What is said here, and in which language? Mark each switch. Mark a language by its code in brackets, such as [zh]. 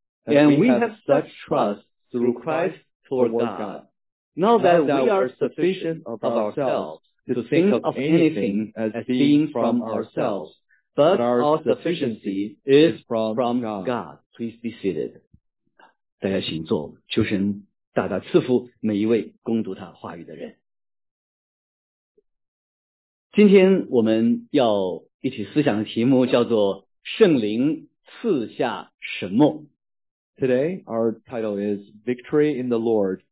[en] And we have such trust through Christ toward God. Now that we are sufficient of ourselves to think of anything as being from ourselves, but our sufficiency is from God. Please be seated. [zh] 大家请坐, 求神大大赐福每一位攻读他话语的人。今天我们要一起思想的题目叫做圣灵赐下什么。 [en] Today, our title is Victory in the Lord.